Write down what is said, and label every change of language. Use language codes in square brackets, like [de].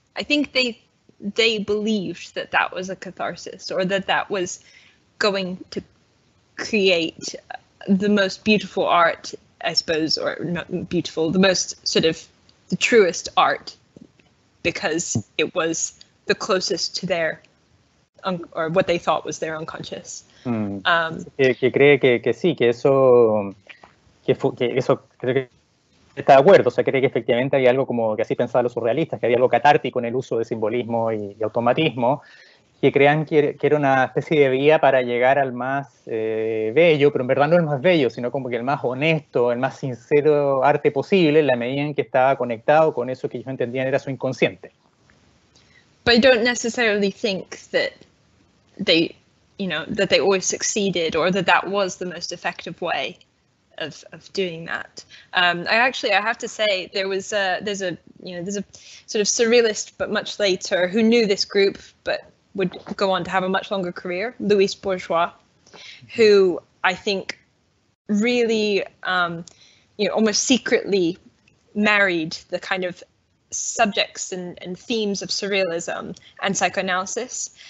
[en] I think they believed that was a catharsis, or that was going to create the most beautiful art, I suppose, or not beautiful, the most sort of the truest art, because it was the closest to their, or what they thought was their unconscious. [es] Que cree que sí, que eso, que eso creo que está de acuerdo, o sea, cree que efectivamente hay algo como que así pensaban los surrealistas, que había algo catártico en el uso de simbolismo y automatismo, que crean que era una especie de vía para llegar al más bello, pero en verdad no el más bello, sino como que el más honesto, el más sincero arte posible, en la medida en que estaba conectado con eso que ellos entendían era su inconsciente. [en] But I don't necessarily think that they, you know, that they always succeeded, or that was the most effective way of doing that. I have to say there's a sort of surrealist, but much later, who knew this group but would go on to have a much longer career, Louis Bourgeois, who I think really almost secretly married the kind of subjects and themes of surrealism and psychoanalysis.